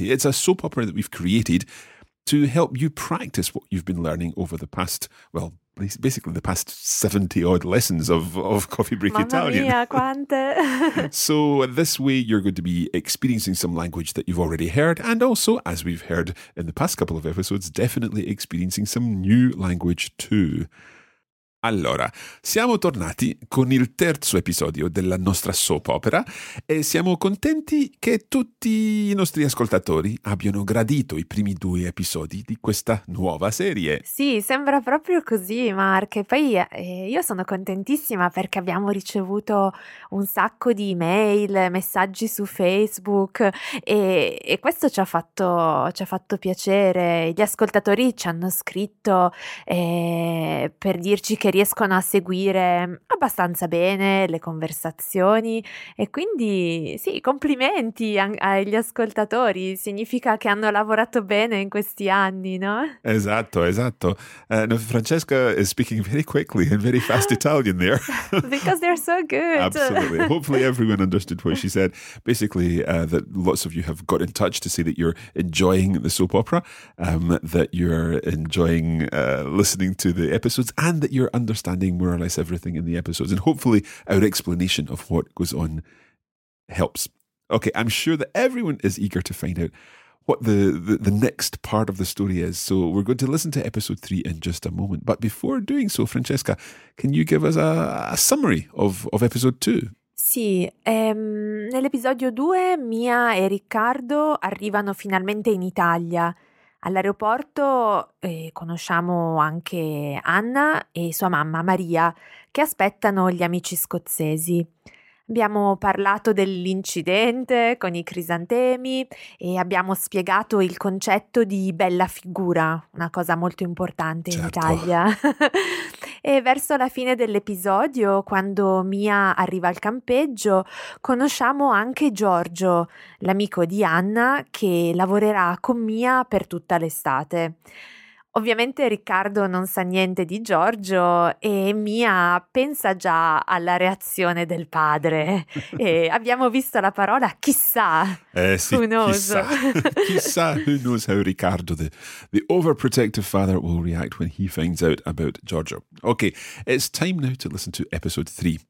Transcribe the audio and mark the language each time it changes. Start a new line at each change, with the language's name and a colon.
English: It's a soap opera that we've created to help you practice what you've been learning over the past, well, basically the past 70-odd lessons of Coffee Break Italian.
Italian: Mamma mia, quante!
English: So this way you're going to be experiencing some language that you've already heard, and also, as we've heard in the past couple of episodes, definitely experiencing some new language too.
Italian: Allora, siamo tornati con il terzo episodio della nostra soap opera e siamo contenti che tutti i nostri ascoltatori abbiano gradito i primi due episodi di questa nuova serie. Sì, sembra proprio così, Mark. E poi io sono contentissima perché abbiamo ricevuto un sacco di email, messaggi su Facebook e questo ci ha fatto piacere. Gli ascoltatori ci hanno scritto per dirci che riescono a seguire abbastanza bene le conversazioni e quindi sì, complimenti agli ascoltatori, significa che hanno lavorato bene in questi anni, no? Esatto.
English: Francesca is speaking very quickly and very fast Italian there. Because they're so good. Absolutely. Hopefully everyone understood what she said. Basically, that lots of you have got in touch to say that you're enjoying the soap opera, that you're enjoying listening to the episodes and that you're understanding more or less everything in the episodes, and hopefully our explanation of what goes on helps. Okay, I'm sure that everyone is eager to find out what the next part of the story is, so we're going to listen to episode 3 in just a moment. But before doing so, Francesca, can you give us a summary of episode 2?
Italian: Sì, nell'episodio 2 Mia e Riccardo arrivano finalmente in Italia. All'aeroporto conosciamo anche Anna e sua mamma Maria, che aspettano gli amici scozzesi. Abbiamo parlato dell'incidente con i crisantemi e abbiamo spiegato il concetto di bella figura, una cosa molto importante, certo, in Italia. E verso la fine dell'episodio, quando Mia arriva al campeggio, conosciamo anche Giorgio, l'amico di Anna, che lavorerà con Mia per tutta l'estate. Ovviamente Riccardo non sa niente di Giorgio e Mia pensa già alla reazione del padre. E abbiamo visto la parola chissà,
English: sì, who knows. Chissà, who knows how Riccardo, the overprotective father, will react when he finds out about Giorgio. Ok, it's time now to listen to episode 3.